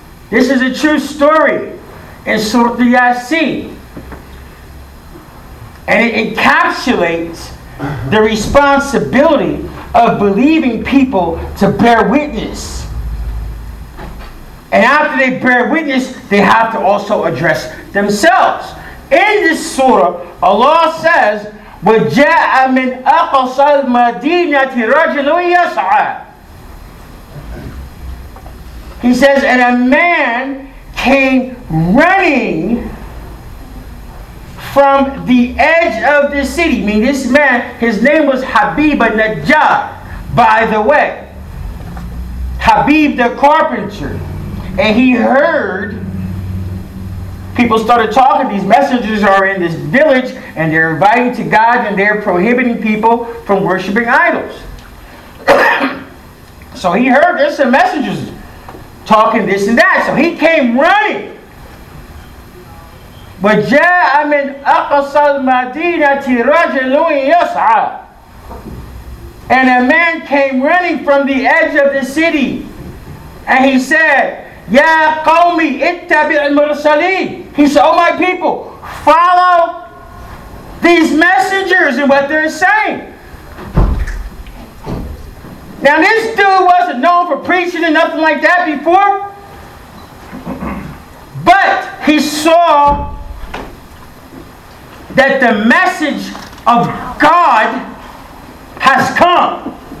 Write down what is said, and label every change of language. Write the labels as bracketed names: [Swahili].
[English] This is a true story in Surah Yasin. And it encapsulates the responsibility of believing people to bear witness. And after they bear witness, they have to also address themselves. In this surah, Allah says, [Arabic] وَجَاءَ مِنْ أَقْصَى الْمَدِينَةِ رَجُلٌ يَسْعَى. [English] He says, and a man came running from the edge of the city. I mean, this man, his name was Habib al-Najjar, by the way. Habib the carpenter. And he heard people started talking. These messengers are in this village and they're inviting to God and they're prohibiting people from worshiping idols. So he heard there's some messengers talking this and that. So he came running. But [Arabic] جَاءَ مِنْ أَقْصَى الْمَدِينَةِ رَجُلٌ يَسْعَى. [English] And a man came running from the edge of the city. And he said, [Arabic] يَا قَوْمِ اتَّبِعُ الْمُرْسَلِينَ. [English] He said, oh my people, follow these messengers and what they're saying. Now this dude wasn't known for preaching and nothing like that before. But he saw that the message of God has come.